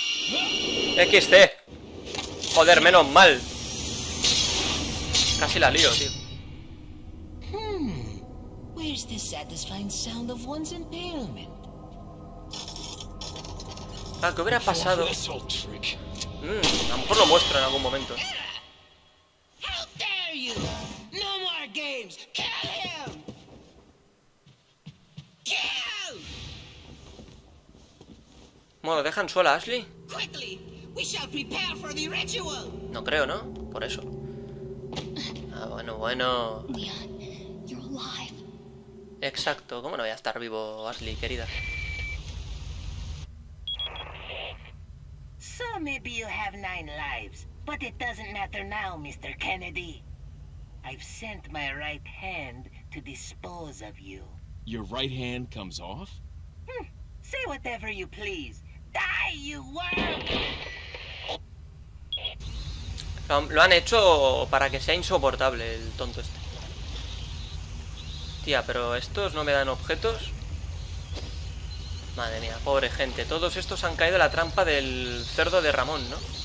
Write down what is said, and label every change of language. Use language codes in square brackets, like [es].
[es] No. Leon. XT. Joder, menos mal. Casi la lío, tío. [en] Where's the satisfying sound of one's impalement? [es] Ah, ¿qué hubiera pasado? A lo mejor lo muestro en algún momento. [en] How dare you! No more games! Kill him! Kill! [es] Bueno, ¿dejan sola a Ashley? [en] Quickly. We shall prepare for the ritual. [es] No creo, ¿no? Por eso. Ah, bueno, bueno. [en] Leon, you're alive. [es] Exacto. ¿Cómo no voy a estar vivo, Ashley, querida? [en] So maybe you have 9 lives, but it doesn't matter now, Mr. Kennedy. I've sent my right hand to dispose of you. Your right hand comes off? Say whatever you please. Die, you worm! [es] Lo han hecho para que sea insoportable el tonto este. Tía, pero estos no me dan objetos. Madre mía, pobre gente. Todos estos han caído en la trampa del cerdo de Ramón, ¿no?